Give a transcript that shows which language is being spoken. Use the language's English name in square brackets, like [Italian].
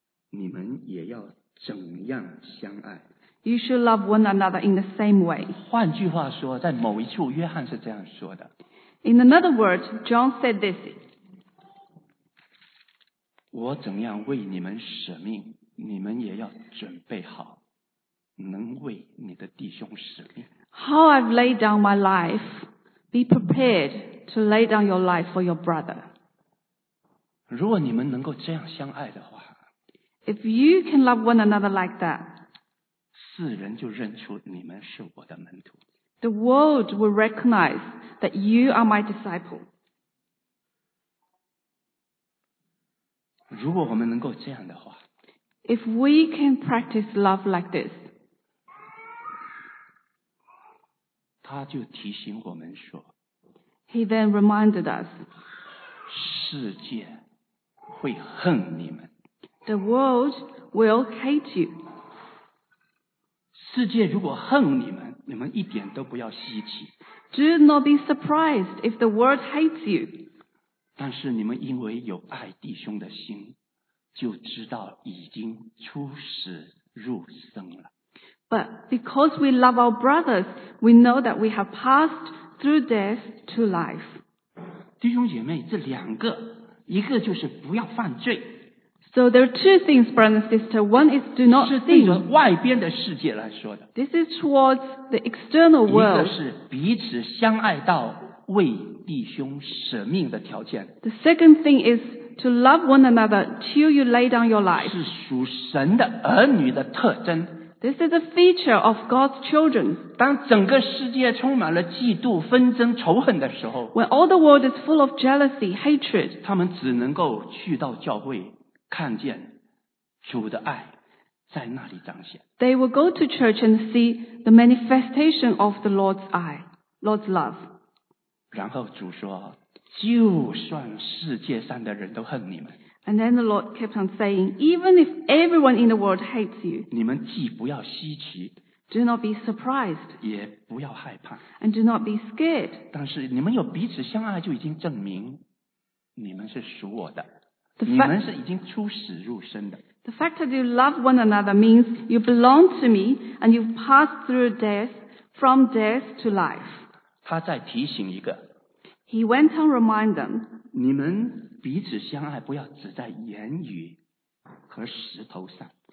[Chinese] 你们也要怎样相爱 [English] You should love one another in the same way [Chinese] 换句话说在某一处约翰是这样说的 [English] In another word John said this [Chinese] 我怎样为你们舍命你们也要准备好能为你的弟兄舍命。 [English] How I've laid down my life, be prepared to lay down your life for your brother. [Chinese] 如果你们能够这样相爱的话 [English] If you can love one another like that, [Chinese] 世人就认出你们是我的门徒。 [English] The world will recognize that you are my disciple. [Chinese] 如果我们能够这样的话 [English] If we can practice love like this, [Chinese] 他就提醒我们说 [English] He then reminded us, [Chinese] 世界会恨你们 [English] The world will hate you. [Chinese] 世界如果恨你们，你们一点都不要稀奇 [English] Do not be surprised if the world hates you. [Chinese] 但是你们因为有爱弟兄的心就知道已经出始入生了。 [English] But because we love our brothers, we know that we have passed through death to life. [Chinese] 弟兄姐妹，这两个，一个就是不要犯罪。 [English] So there are two things, brother and sister. One is do not sin. [Chinese] 是对着外边的世界来说的。 [English] This is towards the external world. [Chinese] 一个是彼此相爱到为弟兄舍命的条件。 [English] The second thing is. To love one another till you lay down your life. [Chinese] 是属神的儿女的特征。 [English] This is a feature of God's children. [Chinese] 当整个世界充满了嫉妒、纷争、仇恨的时候 [English] When all the world is full of jealousy, hatred. [Chinese] 他们只能够去到教会看见主的爱在那里彰显。 [English] They will go to church and see the manifestation of the Lord's eye, Lord's love. [Chinese] 然后主说就算世界上的人都恨你们 [English] And then the Lord kept on saying Even if everyone in the world hates you [Chinese] 你们既不要稀奇 [English] Do not be surprised [Chinese] 也不要害怕 [English] And do not be scared [Chinese] 但是你们有彼此相爱就已经证明你们是属我的 你们是已经出始入生的 [English] The fact that you love one another means you belong to me and you've passed through death from death to life [Chinese] 他在提醒一个 [English] He went on remind them, [Chinese] 你们彼此相爱不要只在言语和石头上。